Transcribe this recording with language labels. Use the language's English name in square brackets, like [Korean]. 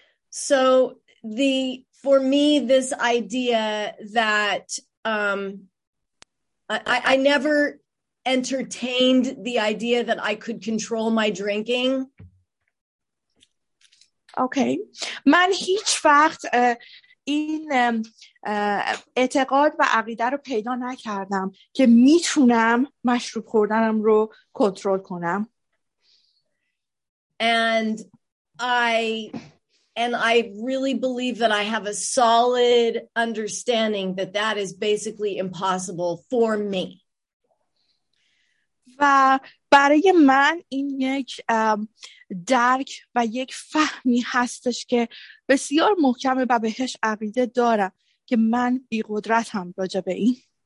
[English] So the for me this idea that I never entertained the idea that I could control my drinking. Okay. [Persian] من هیچ وقت این اعتقاد و عقیده رو پیدا نکردم که میتونم مشروب خوردنم رو کنترل کنم. [English] And I really believe that I have a solid understanding that that is basically impossible for me. [Persian] و برای من این یک درک و یک فهمی هستش که بسیار محکمه و بهش عقیده دارم که من بی‌قدرتم راجع به این.